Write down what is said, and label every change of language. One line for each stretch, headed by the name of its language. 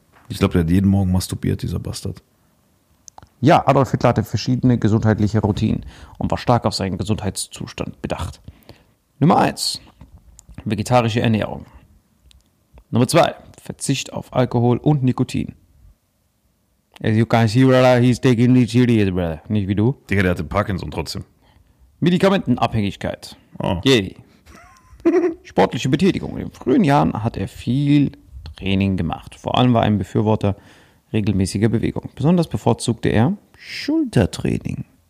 German: Ich glaube, der hat jeden Morgen masturbiert, dieser Bastard. Ja, Adolf Hitler hatte verschiedene gesundheitliche Routinen und war stark auf seinen Gesundheitszustand bedacht. Nummer 1, vegetarische Ernährung. Nummer 2, Verzicht auf Alkohol und Nikotin.
English: As you can see, brother, he's taking it serious, brother.
German: Nicht wie du. Digga, der hatte Parkinson trotzdem. Medikamentenabhängigkeit. Oh. Yeah. Sportliche Betätigung. In den frühen Jahren hat er viel Training gemacht. Vor allem war er ein Befürworter regelmäßiger Bewegung. Besonders bevorzugte er Schultertraining.